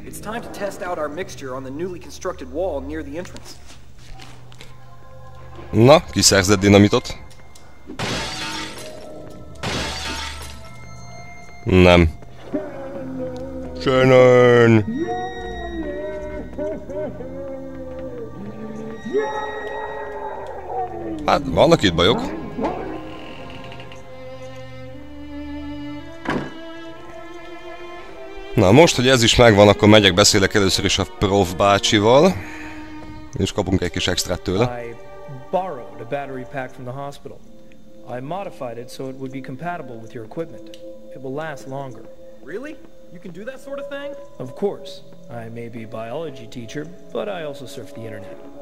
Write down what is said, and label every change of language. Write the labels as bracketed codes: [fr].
[en] It's time to test out our mixture on the newly constructed wall near the entrance. [hu] Na, kiszerzett dinamitot? Nem. Shannon! Hát, vannak itt bajok. Na, most, hogy ez is megvan, akkor megyek, beszélek először is a prof bácsival. És kapunk egy kis extrát tőle. [en] I borrowed a battery pack from the hospital. I modified it so it would be compatible with your equipment. It will last longer. Really? You can do that sort of thing? Of course. I may be a biology teacher, but I also surf the internet.